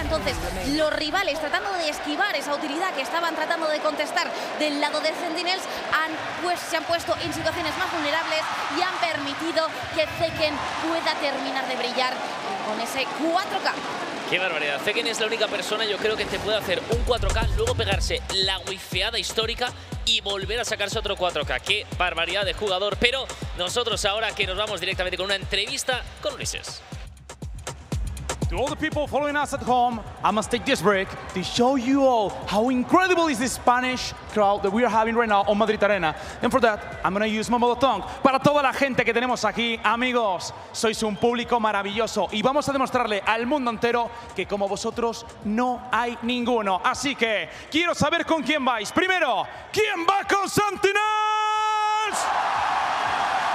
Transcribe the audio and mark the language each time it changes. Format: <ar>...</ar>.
<es>Entonces, los rivales, tratando de esquivar esa utilidad que estaban tratando de contestar del lado de Sentinels, se han puesto en situaciones más vulnerables y han permitido que Zeken pueda terminar de brillar con ese 4K. ¡Qué barbaridad! Zeken es la única persona, yo creo, que te puede hacer un 4K, luego pegarse la wifeada histórica y volver a sacarse otro 4K. ¡Qué barbaridad de jugador! Pero nosotros ahora que nos vamos directamente con una entrevista con Ulises.</es> <en>To all the people following us at home, I must take this break to show you all how incredible is this Spanish crowd that we are having right now on Madrid Arena. And for that, I'm going to use my mother tongue.</en> <es>Para toda la gente que tenemos aquí, amigos, sois un público maravilloso. Y vamos a demostrarle al mundo entero que como vosotros no hay ninguno. Así que quiero saber con quién vais. Primero, ¿quién va con Sentinels?</es>